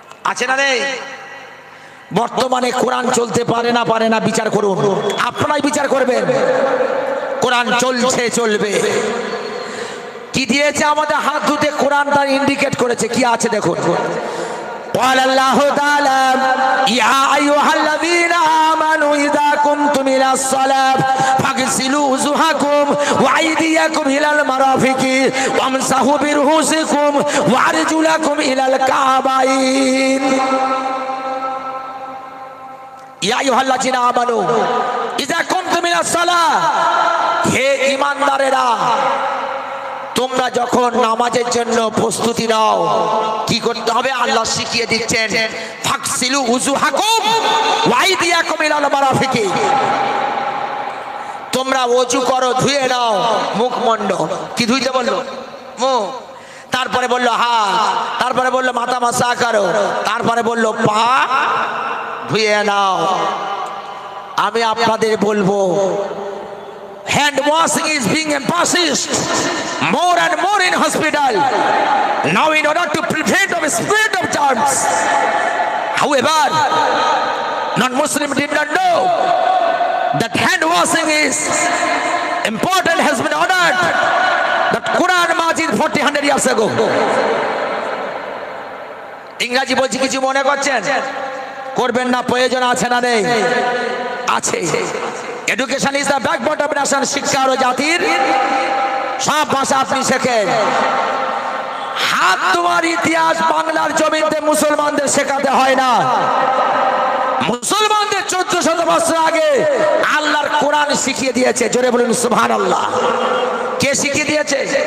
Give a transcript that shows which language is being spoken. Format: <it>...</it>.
<bn>আছে না নেই বর্তমানে কোরআন চলতে পারে না পারে না বিচার করুন আপনারাই বিচার করবেন কোরআন চলছে চলবে কি দিয়েছে আমাদের হাত ধুতে কোরআন তার ইন্ডিকেট করেছে কি আছে দেখুন</bn> <ar>قال الله تعالى يا ايها الذين امنوا اذا قمتم الى الصلاه فاغسلوا وجوهكم وايديكم الى المرافق وامسحوا برؤوسكم وارجلكم الى الكعبين يا ايها الذين امنوا اذا قمتم الى الصلاه</ar> <bn>هي ইমানদারেরا তোমরা যখন নামাজের জন্য প্রস্তুতি নাও কি করতে হবে আল্লাহ শিখিয়ে দিচ্ছেন</bn> <ar>ফাকসিলু উযুহাকুম ওয়াইদিয়াকুম ইলাল মারাফিকি</ar> <bn>তোমরা ওযু করো ধুয়ে নাও মুখমণ্ডল কি ধুইতে বলল মুখ তারপরে বলল হাত তারপরে বলল মাথা মাসা করো তারপরে বলল পা ধুয়ে নাও আমি আপনাদের বলবো</bn> <en>Hand washing is being emphasized more and more in hospital now in order to prevent of spread of germs. However, non-Muslim did not know that hand washing is important has been ordered that Quran Majid 400 years ago.</en> <bn>ইংরেজি বলছি কিছু মনে করছেন করবেন না প্রয়োজন আছে না নেই আছে</bn> <en>education is the backbone of nation</en> <bn>শিক্ষা আর জাতির সব ভাষা আপনি শেখেন হাত ধোয়ার ইতিহাস বাংলার জমিতে মুসলমানদের শেখাতে হয় না মুসলমানদের 1400 বছর আগে আল্লাহর কোরআন শিখিয়ে দিয়েছে জোরে বলুন সুবহানাল্লাহ কে শিখিয়ে দিয়েছে</bn>